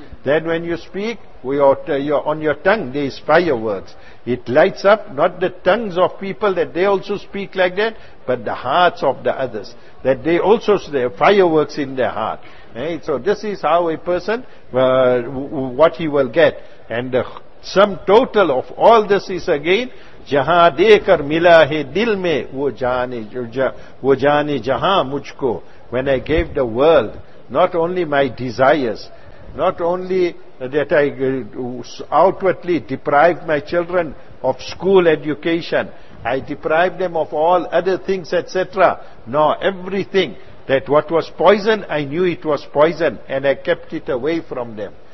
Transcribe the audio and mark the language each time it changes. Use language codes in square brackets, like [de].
[en] Then when you speak, on your tongue there is fireworks. It lights up not the tongues of people that they also speak like that, but the hearts of the others, that they also have fireworks in their heart. So this is how a person, what he will get. And the sum total of all this is again, [ur] جہاں دے کر ملا ہے دل میں وہ جانے جہاں مجھ کو. [en] When I gave the world, not only my desires, not only that I outwardly deprived my children of school education, I deprived them of all other things, etc. No, everything that what was poison, I knew it was poison and I kept it away from them.